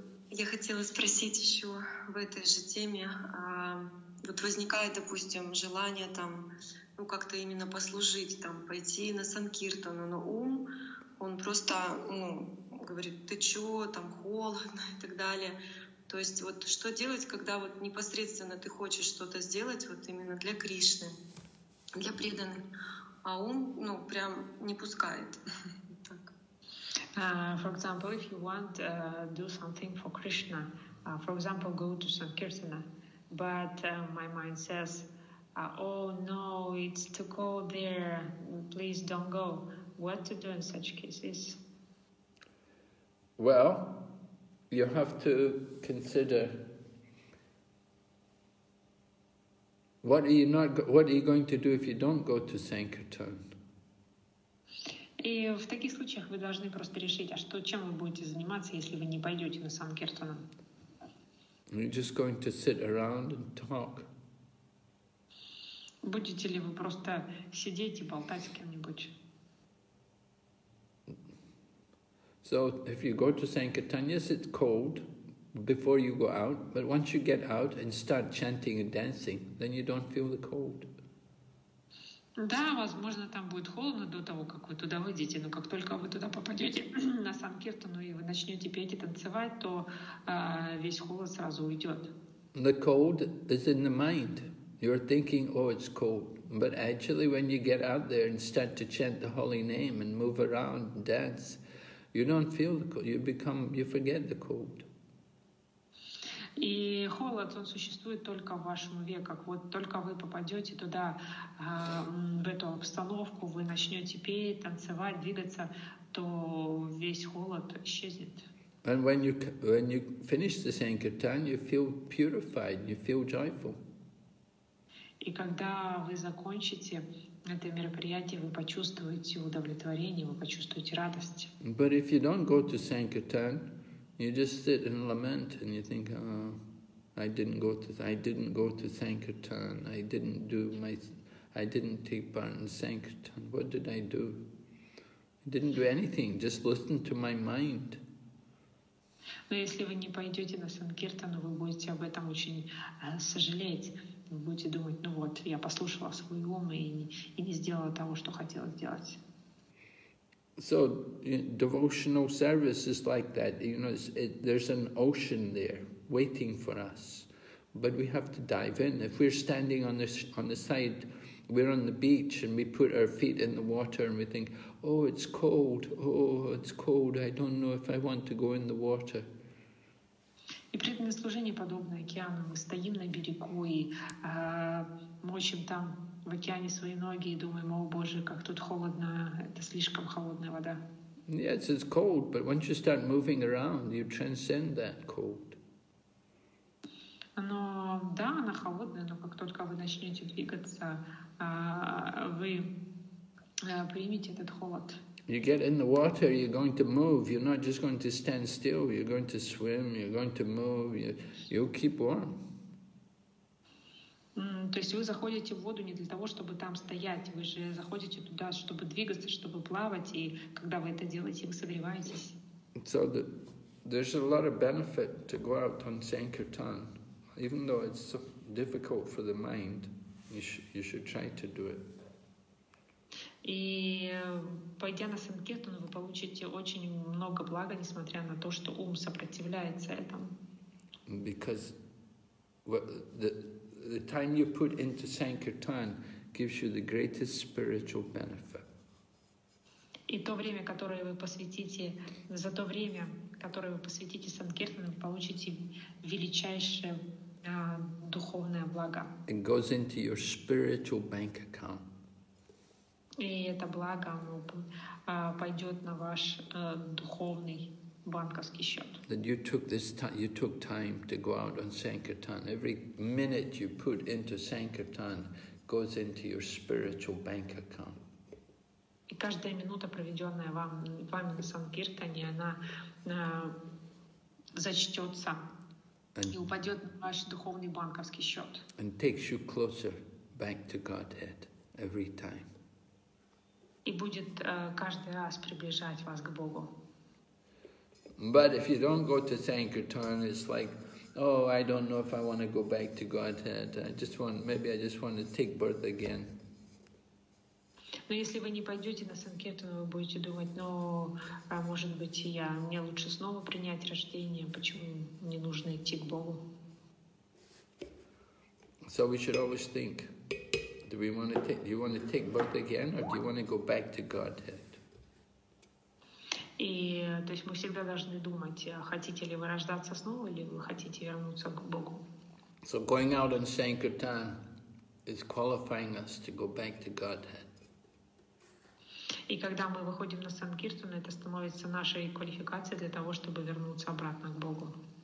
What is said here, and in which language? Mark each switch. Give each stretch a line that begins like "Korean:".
Russian: Я хотела спросить еще в этой же теме. Вот возникает, допустим, желание там, ну, как-то именно послужить, там, пойти на санкиртану, но ум, он просто, ну, говорит, ты чё, там холодно и так далее. То есть вот что делать, когда вот непосредственно ты хочешь что-то сделать вот именно для Кришны, для преданных, а ум, ну, прям не пускает.
English: For example, if you want to do something for Krishna, for example, go to Sankirtana, but my mind says, oh no, it's too cold there, please don't go. What to do in such cases? Well, you have to consider what are you going to do if you don't go to Sankirtan?
Russian: И в таких случаях вы должны просто решить, а что, чем вы будете заниматься, если вы не пойдете на Sankirtan?
English: You're just going to sit around and talk.
Russian: Будете ли вы просто сидеть и болтать с кем-нибудь?
English: So if you go to Sankirtan, yes, it's cold before you go out, but once you get out and start chanting and dancing, then you don't feel the cold.
Russian: Да, возможно, там будет холодно до того, как вы туда выйдете, но как только вы туда попадете на Санкиртану и вы начнете петь и танцевать, то весь холод сразу уйдет.
English: The cold is in the mind. You're thinking, oh, it's cold. But actually, when you get out there and start to chant the holy name and move around and dance, you don't feel the cold. You forget the cold.
Russian: И холод, он существует только в вашем уме. Как вот только вы попадете туда, в эту обстановку, вы начнете петь, танцевать, двигаться, то весь холод исчезнет.
English: And when you finish the Sankirtan, you feel purified, you feel joyful.
Russian: И когда вы закончите это мероприятие, вы почувствуете удовлетворение, вы почувствуете радость.
English: But if you don't go to Sankirtan, you just sit and lament and you think, oh, I didn't go to Sankirtan, I didn't take part in Sankirtan. What did I do? I didn't do anything, just listen to my mind.
Russian: Но если вы не пойдете на Санкиртану, вы будете об этом очень сожалеть. Вы будете думать, ну вот, я послушала свой ум и не сделала того, что хотела сделать.
English: So, devotional service is like that. You know, there's an ocean there waiting for us. But we have to dive in. If we're standing on the side, we're on the beach and we put our feet in the water and we think, oh, it's cold, I don't know if I want to go in the water.
Russian: И преданное служение подобно океану. Мы стоим на берегу и мочим там в океане свои ноги и думаем, о Боже, как тут холодно, это слишком холодная вода.
English: Yes, it's cold, but once you start moving around, you transcend that cold.
Russian: Но да, она холодная, но как только вы начнете двигаться, вы примете этот холод.
English: You get in the water, you're going to move. You're not just going to stand still. You're going to swim, you're going to move. You'll keep warm.
Russian: То есть вы заходите в воду не для того, чтобы там стоять. Вы же заходите туда, чтобы двигаться, чтобы плавать. И когда вы это делаете, вы согреваетесь.
English: So there's a lot of benefit to go out on Sankirtan. Even though it's so difficult for the mind, you should try to do it.
Russian: И пойдя на Санкиртан, вы получите очень много блага, несмотря на то, что ум сопротивляется этому.
English: Because the time you put into Sankirtan gives you the greatest spiritual benefit.
Russian: И то время, которое вы посвятите, за то время, которое вы посвятите Санкиртану, вы получите величайшее духовное благо.
English: It goes into your spiritual bank account.
Russian: И это благо, оно пойдет на ваш духовный банковский счет.
English: That you took this time, you took time to go out on Sankirtan. Every minute you put into Sankirtan goes into your spiritual bank account.
Russian: И каждая минута, проведенная вами на Санкиртане, она зачтется и упадет на ваш духовный банковский счет.
English: And takes you closer back to Godhead every time.
Russian: И будет каждый раз приближать вас к Богу.
English: But if you don't go to Sankirtan, it's like, oh, I don't know if I want to go back to Godhead. I just want to take birth again.
Russian: Но если вы не пойдете на Санкиртан, вы будете думать, ну, может быть, мне лучше снова принять рождение. Почему мне нужно идти к Богу?
English: So we should always think. Do you want to take birth again, or do you want to go back to Godhead?
Russian: И то есть мы всегда должны думать, хотите ли вы рождаться снова, или вы хотите вернуться к Богу.
English: So going out on Sankirtan is qualifying us to go back to Godhead.
Russian: И когда мы выходим на Санкиртан, это становится нашей квалификацией для того, чтобы вернуться обратно к Богу.